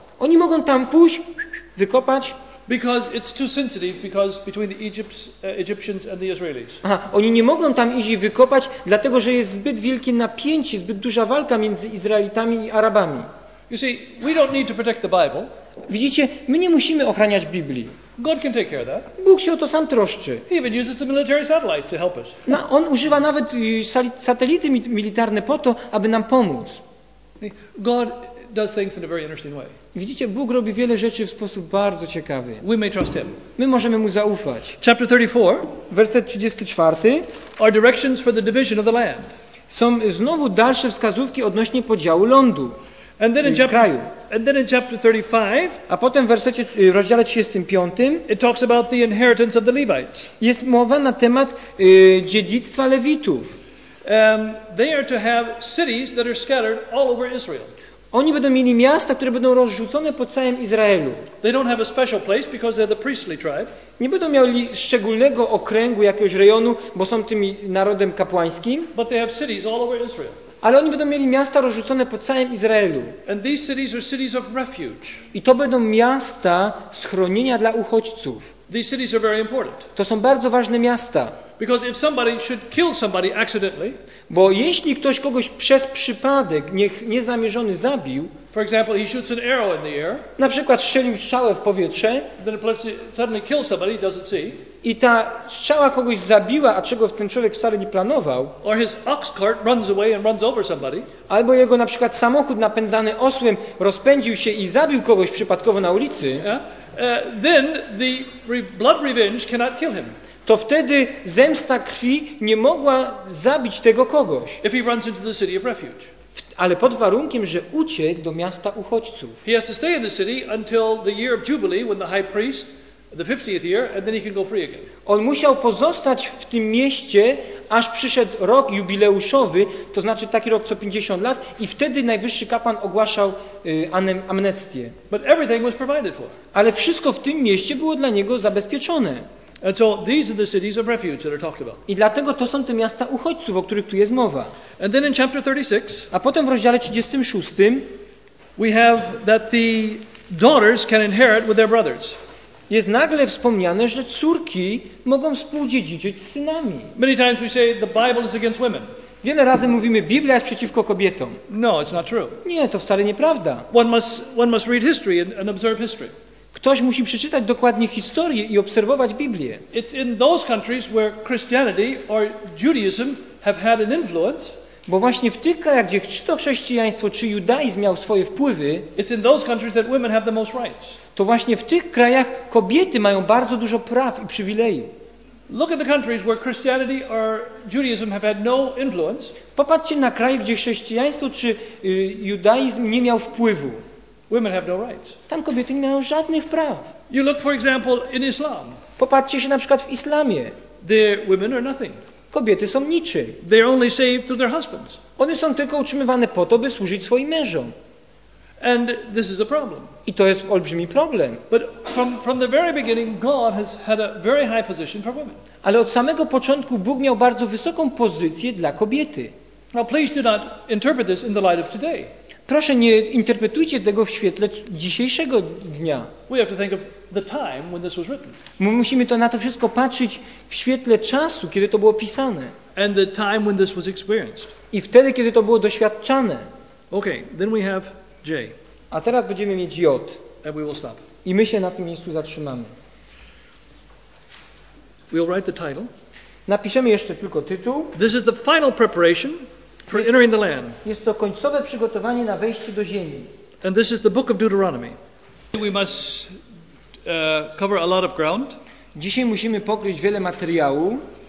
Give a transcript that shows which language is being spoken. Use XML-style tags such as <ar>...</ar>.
<pl>Oni mogą tam pójść, wykopać.</pl> <en>Because it's too sensitive, because between the Egyptians and the Israelis.</en> <pl>Aha, oni nie mogą tam iść i wykopać, dlatego że jest zbyt wielkie napięcie, zbyt duża walka między Izraelitami i Arabami.</pl> <en>You see, we don't need to protect the Bible.</en> <pl>Widzicie, my nie musimy ochraniać Biblii.</pl> <en>God can take care of that.</en> <pl>Bóg się o to sam troszczy.</pl> <en>He even uses the military satellite to help us.</en> <pl>No, on używa nawet satelity militarne po to, aby nam pomóc.</pl> <en>God does things in a very interesting way.</en> <pl>Widzicie, Bóg robi wiele rzeczy w sposób bardzo ciekawy.</pl> <en>We may trust him.</en> <pl>My możemy mu zaufać.</pl> <en>Chapter 34,</en> <pl>werset 34.</pl> <en>Are directions for the division of the land.</en> <pl>Są znowu dalsze wskazówki odnośnie podziału lądu.</pl> <en>And then in chapter,</en> <pl>kraju.</pl> <en>And then in chapter 35,</en> <pl>a potem w wersecie, w rozdziale 35,</pl> <en>it talks about the inheritance of the Levites.</en> <pl>Jest mowa na temat dziedzictwa Lewitów.</pl> <en>They are to have cities that are scattered all over Israel.</en> <pl>Oni będą mieli miasta, które będą rozrzucone po całym Izraelu.</pl> <en>They don't have a special place because they're the priestly tribe.</en> <pl>Nie będą mieli szczególnego okręgu, jakiegoś rejonu, bo są tym narodem kapłańskim.</pl> <en>But they have cities all over Israel.</en> <pl>Ale oni będą mieli miasta rozrzucone po całym Izraelu.</pl> <en>And these cities are cities of refuge.</en> <pl>I to będą miasta schronienia dla uchodźców.</pl> <en>These cities are very important.</en> <pl>To są bardzo ważne miasta.</pl> <en>Because if somebody should kill somebody accidentally,</en> <pl>bo jeśli ktoś kogoś przez przypadek niezamierzony zabił,</pl> <en>for example, he shoots an arrow in the air,</en> <pl>na przykład strzelił strzałę w powietrze,</pl> <en>then suddenly kills somebody he doesn't see,</en> <pl>i ta strzała kogoś zabiła, a czego ten człowiek wcale nie planował,</pl> <en>or his ox cart runs away and runs over somebody,</en> <pl>albo jego na przykład samochód napędzany osłem rozpędził się i zabił kogoś przypadkowo na ulicy,</pl> <en>Then the blood revenge cannot kill him.</en> <pl>To wtedy zemsta krwi nie mogła zabić tego kogoś.</pl> <en>If he runs into the city of refuge.</en> <pl>Ale pod warunkiem, że uciekł do miasta uchodźców.</pl> <en>He has to stay in the city until the year of Jubilee, when the high priest, the 50th year, and then he can go free again.</en> <pl>On musiał pozostać w tym mieście, aż przyszedł rok jubileuszowy, to znaczy taki rok co 50 lat, i wtedy najwyższy kapłan ogłaszał amnestię.</pl> <en>But everything was provided for.</en> <pl>Ale wszystko w tym mieście było dla niego zabezpieczone.</pl> <en>And so these are the cities of refuge that are talked about.</en> <pl>I dlatego to są te miasta uchodźców, o których tu jest mowa.</pl> <en>And then in chapter 36,</en> <pl>a potem w rozdziale 36,</pl> <en>we have that the daughters can inherit with their brothers.</en> <pl>Jest nagle wspomniane, że córki mogą współdziedziczyć z synami.</pl> <en>Many times we say the Bible is against women.</en> <pl>Wiele razy mówimy, Biblia jest przeciwko kobietom.</pl> <en>No, it's not true.</en> <pl>Nie, to wcale nieprawda.</pl> <en>One must read history and observe history.</en> <pl>Ktoś musi przeczytać dokładnie historię i obserwować Biblię.</pl> <en>It's in those countries where Christianity or Judaism have had an influence.</en> <pl>Bo właśnie w tych krajach, gdzie czy to chrześcijaństwo, czy judaizm miał swoje wpływy,</pl> <en>it's in those countries that women have the most rights.</en> <pl>To właśnie w tych krajach kobiety mają bardzo dużo praw i przywilejów.</pl> <en>Look at the countries where Christianity or Judaism have had no influence.</en> <pl>Popatrzcie na kraje, gdzie chrześcijaństwo czy judaizm nie miał wpływu.</pl> <en>Women have no rights.</en> <pl>Tam kobiety nie mają żadnych praw.</pl> <en>You look, for example, in Islam.</en> <pl>Popatrzcie się na przykład w islamie.</pl> <en>There women are nothing.</en> <pl>Kobiety są niczym.</pl> <en>They are only saved through their husbands.</en> <pl>One są tylko utrzymywane po to, by służyć swoim mężom.</pl> <en>And this is a problem.</en> <pl>I to jest olbrzymi problem.</pl> <en>But from the very beginning, God has had a very high position for women.</en> <pl>Ale od samego początku Bóg miał bardzo wysoką pozycję dla kobiety.</pl> <en>Now please do not interpret this in the light of today.</en> <pl>Proszę, nie interpretujcie tego w świetle dzisiejszego dnia.</pl> <en>We have to think of the time when this was written.</en> <pl>My musimy to na to wszystko patrzeć w świetle czasu, kiedy to było pisane.</pl> <en>And the time when this was experienced.</en> <pl>I wtedy, kiedy to było doświadczane.</pl> <en>Okay, then we have J.</en> <pl>A teraz będziemy mieć J.</pl> <en>And we will stop.</en> <pl>I my się na tym miejscu zatrzymamy.</pl> <en>We'll write the title.</en> <pl>Napiszemy jeszcze tylko tytuł.</pl> <en>This is the final preparation. For entering the land.</en> <pl>Jest to końcowe przygotowanie na wejście do ziemi.</pl> <en>And this is the book of Deuteronomy. We must cover a lot of ground.</en> <pl>Dzisiaj musimy pokryć wiele materiału.</pl>